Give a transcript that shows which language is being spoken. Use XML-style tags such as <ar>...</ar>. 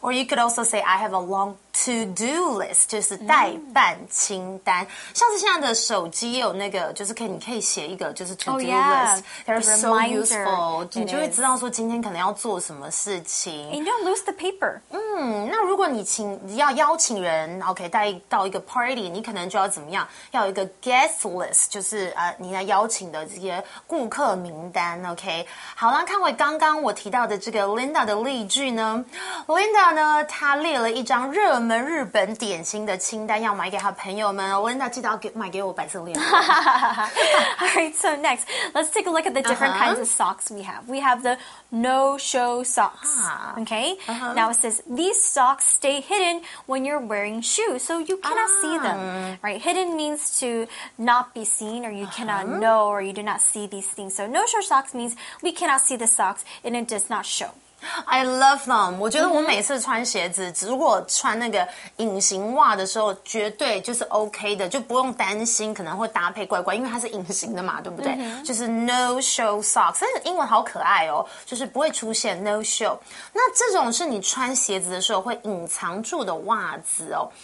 <en>Or you could also say I have a long to-do list</en> <zh>就是代办清单、</zh> <en>mm-hmm.</en> <zh>像是现在的手机有那个就是可以你可以写一个就是 to-do、</zh> <en>oh, yeah.</en> <zh>list</zh> <en>They're so useful</en> <zh>你就会知道说今天可能要做什么事情</zh> <en>And you don't lose the paper</en> <zh>那如果你请要邀请人 OK 带到一个 party 你可能就要怎么样要有一个 guest list 就是、你邀请的这些顾客名单 OK 好啦看回刚刚我提到的这个 Linda 的例句呢 Linda 呢她列了一张热门日本点心的清单要买给她朋友们 Linda 记得要买给我白色恋人</zh> <en>Alright so next Let's take a look at the different、uh-huh. kinds of socks we have We have the no-show socks OK、uh-huh. Now it says These socks stay hidden when you're wearing shoes So you cannot、uh-huh. see them Right hidden means to not be seen or you cannotknow or you do not see these things. So no-show socks means we cannot see the socks and it does not show. I love them.</en> <zh>我觉得我每次穿鞋子、mm-hmm. 如果穿那个隐形袜的时候绝对就是 OK 的，就不用担心可能会搭配怪怪，因为它是隐形的嘛，对不对、mm-hmm. 就是 no show socks， 但是英文好可爱哦，就是不会出现 no show。那这种是你穿鞋子的时候会隐藏住的袜子哦。</zh>